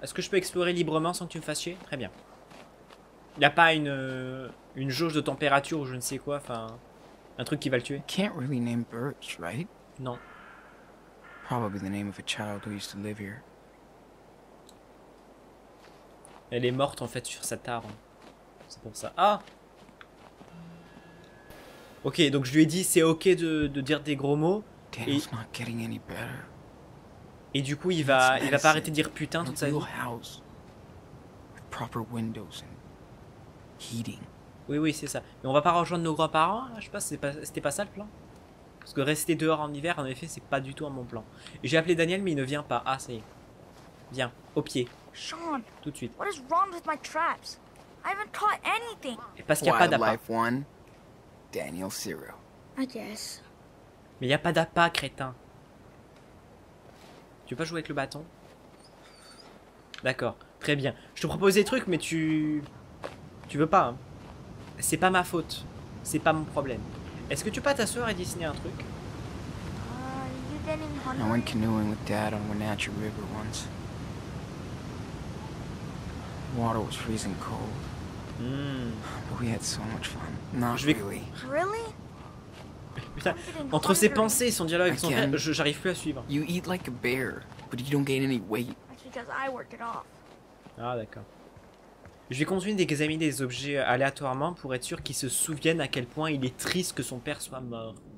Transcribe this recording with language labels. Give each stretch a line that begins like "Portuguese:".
French: Est-ce que je peux explorer librement sans que tu me fasses chier? Très bien. Il n'y a pas une jauge de température ou je ne sais quoi, enfin un truc qui va le tuer.
English: Can't really name Birch, right?
French: Non.
English: Probably the name of a child who used to live here.
French: Elle est morte en fait sur cet arbre. C'est pour ça. Ah. Ok, donc je lui ai dit c'est ok de dire des gros mots.
English: Daniel's not getting any better.
French: Et du coup il va pas arrêter de dire putain toute sa vie.
English: House, with proper windows and... Heating.
French: Oui, oui, c'est ça. Mais on va pas rejoindre nos grands-parents, hein, je sais pas, c'était pas ça le plan. Parce que rester dehors en hiver, en effet, c'est pas du tout à mon plan. J'ai appelé Daniel, mais il ne vient pas. Ah, ça y est. Viens, au pied. Sean, tout de suite.
English: What is wrong with my traps? I haven't caught anything.
French: Parce qu'il n'y a pas d'appât.
English: Wildlife 1, Daniel 0. I guess.
French: Mais il n'y a pas d'appât, crétin. Tu veux pas jouer avec le bâton? D'accord, très bien. Je te propose des trucs, mais tu veux pas, hein. C'est pas ma faute, c'est pas mon problème. Est-ce que tu peux pas t'asseoir et dessiner un truc?
English: I went canoeing with Dad on Wenatchee River once. Water was freezing cold. But we had so much fun. Not really. Really?
French: Putain, entre ses pensées et son dialogue, son rêve, j'arrive plus à suivre.
English: You eat like a bear, but you don't gain any weight. That's because I work it off.
French: Ah d'accord. Je vais continuer d'examiner les objets aléatoirement pour être sûr qu'il se souvienne à quel point il est triste que son père soit mort.